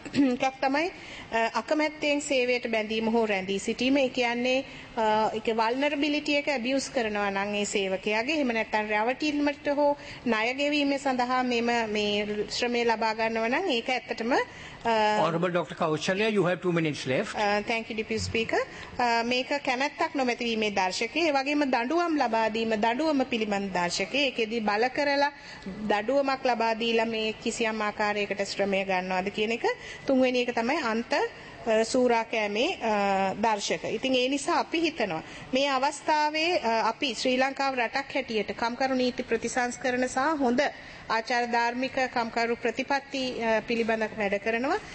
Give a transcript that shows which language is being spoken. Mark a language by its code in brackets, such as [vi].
[si] එකක් තමයි අකමැත්තෙන් සේවයට බැඳීම හෝ රැඳී සිටීම. ඒ කියන්නේ ඒක වල්නරබිලිටි එක ඇබියුස් කරනවා නම් ඒ සේවකයාගේ, එහෙම නැත්නම් රැවටිල්මට හෝ ණය ගෙවීමේ සඳහා මෙම මේ ශ්‍රමය ලබා ගන්නවා නම් ඒක ඇත්තටම [en] Honorable Dr. Kaushalya, you have 2 minutes left. Thank you, Deputy Speaker. [si] මේක කැමැත්තක් නොමැති වීමේ දර්ශකයේ, ඒ වගේම දඬුවම් ලබා දීම දඬුවම පිළිබඳ දර්ශකයේ, ඒකෙදි බල කරලා දඬුවමක් ලබා දීලා මේ කිසියම් ආකාරයකට ශ්‍රමය ගන්නවාද කියන එක. තුන්වෙනි එක තමයි අන්ත සූරා කෑමේ දර්ශක. ඉතින් ඒ නිසා අපි හිතනවා මේ අවස්ථාවේ අපි ශ්‍රී ලංකාව රටක් හැටියට කම්කරු නීති ප්‍රතිසංස්කරණ සහ හොඳ ආචාර ධාර්මික කම්කරු ප්‍රතිපත්ති පිළිබඳ වැඩ කරනවා.